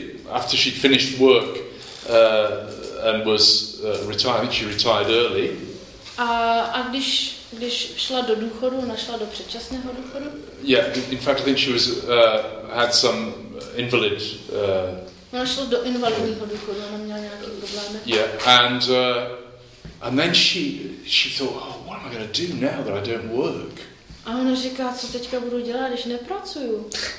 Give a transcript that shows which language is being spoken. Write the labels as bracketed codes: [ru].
[en] After she'd finished work and was retired, she retired early. [cs] A když šla do důchodu, našla do předčasného důchodu? [en] Yeah, in fact, I think she was had some invalid. [cs] Našla do invalidního důchodu, ona měla nějaké problémy. [en] Yeah, and then she thought, oh, what am I going to do now that I don't work? [cs] A ona říká, co teďka budu dělat, když nepracuju?